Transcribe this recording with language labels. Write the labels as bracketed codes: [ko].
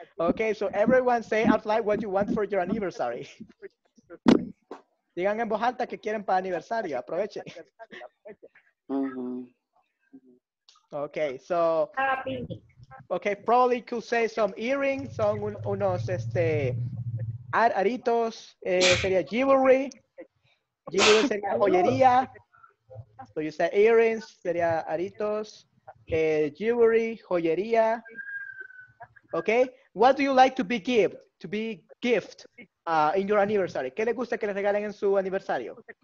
[en] Okay, so everyone say out loud what you want for your anniversary. [es] Digan en voz alta que quieren para aniversario, aproveche. [en] Okay, so. Have a picnic. Okay, probably could say some earrings, some [es] unos este, aritos, sería [en] jewelry. Jewelry [es] sería joyería. [en] So you said earrings, [es] sería aritos, jewelry, joyería. [en] Okay, what do you like to be gift, in your anniversary? [es] ¿Qué le gusta que le regalen en su aniversario?